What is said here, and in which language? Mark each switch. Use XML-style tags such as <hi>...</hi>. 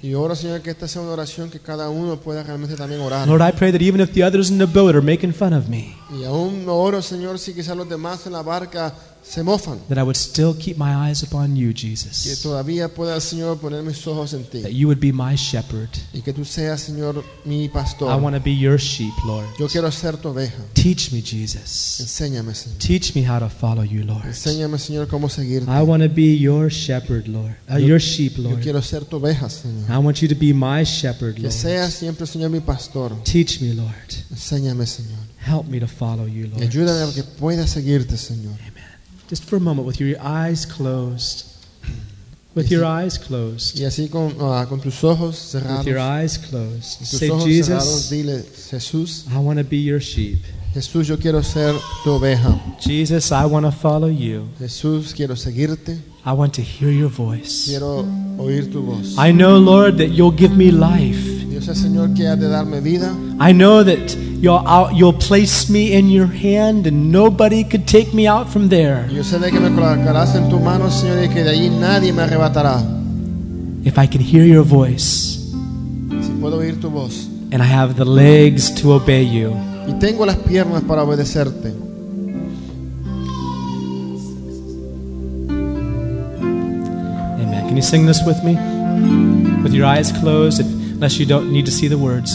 <es>Y oro, Señor, que esta sea una oración que cada uno pueda realmente también orar.</es> <en>Lord, I pray that even if the others in the boat are making fun of me.</en> <es>Y aún oro, Señor, si quizás los demás en la barca se mofan.</es> <en>That I would still keep my eyes upon you, Jesus.</en> <es>Que todavía pueda, Señor, poner mis ojos en ti.</es> <en>That you would be my shepherd.</en> <es>Y que tú seas, Señor, mi pastor.</es> <en>I want to be your sheep, Lord.</en> <es>Yo quiero ser tu oveja.</es> <en>Teach me, Jesus.</en> <es>Enséñame, Señor.</es> <en>Teach me how to follow you, Lord.</en> <es>Enséñame, Señor, cómo seguirte.</es> <en>I want to be your shepherd, Lord. Your sheep, Lord.</en> <es>Yo quiero ser tu oveja, Señor.</es> <en>I want you to be my shepherd, Lord.</en> <es>Que seas siempre, Señor, mi pastor.</es> <en>Teach me, Lord.</en> <es>Enséñame, Señor.</es> <en>Help me to follow you, Lord.</en> <es>Ayúdame a que pueda seguirte, Señor.</es> <en>Amen. Just for a moment, with your eyes closed. With your eyes closed.</en> <es>Y así con tus ojos cerrados.</es> <en>With your eyes closed. Say, Jesus,</en> <es>dile, Jesús,</es> <en>I want to be your sheep.</en> <es>Jesús, yo quiero ser tu oveja.</es> <en>Jesus, I want to follow you.</en> <es>Jesús, quiero seguirte.</es> <en>I want to hear your voice.</en> <es>Quiero oír tu voz.</es> <en>I know, Lord, that you'll give me life.</en> <es>Yo sé, Señor, que ha de darme vida.</es> <en>I know that you'll place me in your hand and nobody could take me out from there.</en> <es>Yo sé de que me colocarás en tu mano, Señor, y que de allí nadie me arrebatará.</es> <en>If I can hear your voice.</en> <es>Si puedo oír tu voz.</es> <en>And I have the legs to obey you.</en> <es>Y tengo las piernas para obedecerte.</es> <en>Amen. Can you sing this with me? With your eyes closed, unless you don't need to see the words.</en>